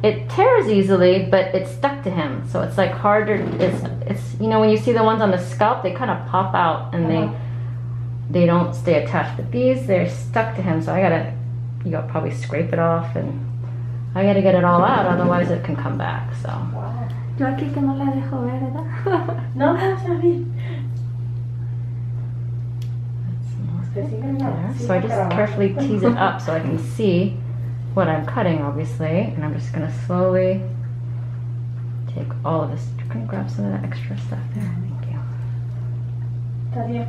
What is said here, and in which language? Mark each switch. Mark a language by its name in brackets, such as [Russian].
[English] It tears easily, but it's stuck to him. So it's like harder, it's you know, when you see the ones on the scalp, they kind of pop out and they don't stay attached. But these, they're stuck to him. So you gotta probably scrape it off and I gotta get it all out, otherwise it can come back, so. Wow. [Spanish] Yo aquí que no la dejo ver, ¿verdad? No, no, está bien. [English] So I just carefully tease it up so I can see what I'm cutting, obviously. And I'm just going to slowly take all of this. Can you grab some of that extra stuff there? Thank you. Daddy, you have